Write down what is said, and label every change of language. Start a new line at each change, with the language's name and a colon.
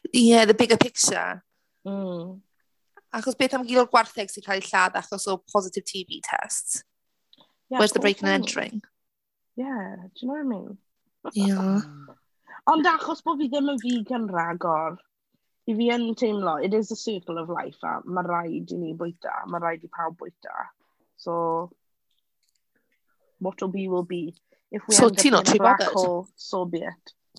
English: Yeah, the bigger picture. Mm.
Welsh: Achos beth am gyd o'r gwartheg sy'n cael ei lladd achos o positive TB tests?
English: Yeah, where's the break and entering? Yeah, do you know what I mean? Yeah.
Welsh: Ond achos bod fi ddim yn vegan ragor, i fi yn teimlo,
English: it is a circle of life,
Welsh: a mae rhaid i ni bwyta, mae rhaid i pawb bwyta.
English: So, what will be, if we end up in a black hole, so be it.